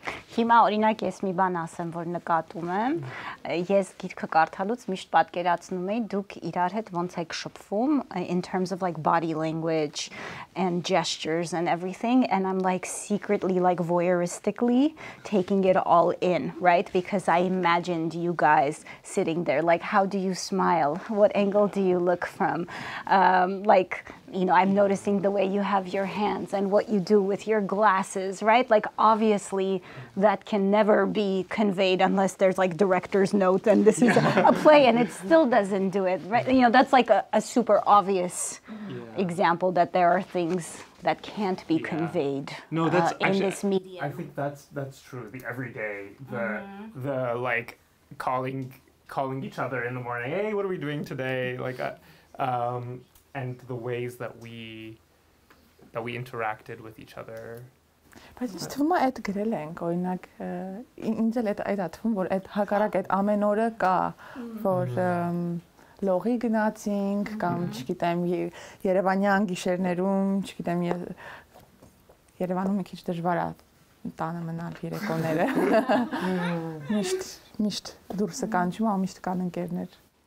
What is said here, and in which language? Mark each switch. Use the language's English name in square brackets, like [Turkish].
[Armenian] Հիմա օրինակ ես մի բան ասեմ, որ նկատում եմ, ես գիրքը կարդալուց միշտ պատկերացնում էի, դուք իրար հետ ոնց եք շփվում [English] in terms of like body language and gestures and everything, and I'm like secretly, like voyeuristically taking it all in, right? Because I imagined you guys sitting there, like how do you smile? What angle do you look from? Like, you know, I'm noticing the way you have your hands and what you do with your glasses, right? Like, obviously, that can never be conveyed unless there's like director's note and this is a play and it still doesn't do it, right? You know, that's like a super obvious example that there are things that can't be conveyed this medium. I think that's true. The everyday, the like calling each other in the morning, hey, what are we doing today? Like, and the ways that we interacted with each other. [Armenian] Բայց ես թվում է այդ գրել ենք, օրինակ, ինձ էլ այդ թվում, որ այդ հակառակ այդ ամեն օրը կա, որ լողի գնացինք, կամ չգիտեմ, երևանյան գիշերներում, չգիտեմ, Երևանում մի քիչ դժվար է տանը մնալ երեկոները, միշտ դուրս կանչում, ու միշտ կան ընկերներ։